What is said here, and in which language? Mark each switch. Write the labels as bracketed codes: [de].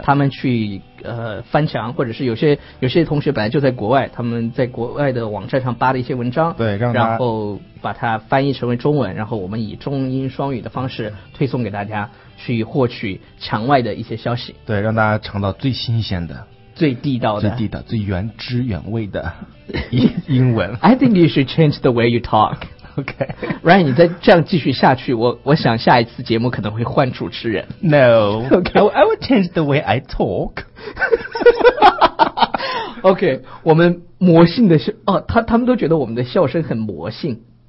[zh] 他们去翻墙，或者是有些同学本来就在国外，他们在国外的网站上扒了一些文章，对，让他然后把它翻译成为中文，然后我们以中英双语的方式推送给大家，去获取墙外的一些消息，对，让大家尝到最新鲜的、最地道的、最地道、最原汁原味的英文。 [en] I think you should change the way you talk. OK, [zh] Ryan, 你再这样继续下去，我想下一次节目可能会换主持人。 [en] No, OK, I will change the way I talk. [zh] OK, 我们魔性的笑，哦，他们都觉得我们的笑声很魔性。